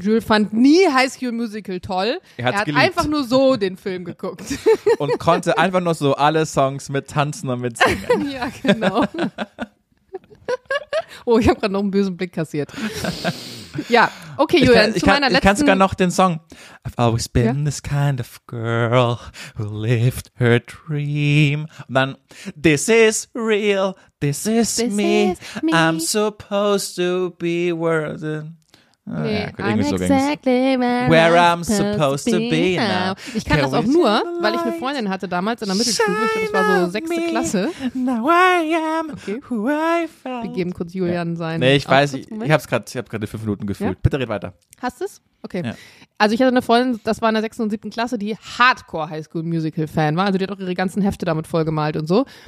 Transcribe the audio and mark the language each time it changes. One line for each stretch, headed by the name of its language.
German: Jules fand nie High School Musical toll. Er hat einfach nur so den Film geguckt. Und konnte einfach nur so alle Songs mit tanzen und mit singen. Ja, genau. Oh, ich habe gerade noch einen bösen Blick kassiert. Ja, okay, Julian, zu meiner letzten... Ich kann sogar noch den Song.
English: I've always been this kind of girl who lived her dream.
German: Und dann,
English: this is real, this is me. I'm supposed to be worthy. Where I'm supposed to be now.
German: Ich kann das auch nur, weil ich eine Freundin hatte damals in der Mittelschule. Ich glaube, das war so 6. Klasse.
English: Now I am who I felt.
German: Wir geben kurz Julian sein. Nee, ich weiß, ich habe gerade 5 Minuten gefühlt. Ja? Bitte red weiter. Hast du es? Okay. Ja. Also ich hatte eine Freundin, das war in der 6. und 7. Klasse, die Hardcore High School Musical Fan war. Also die hat auch ihre ganzen Hefte damit vollgemalt und so.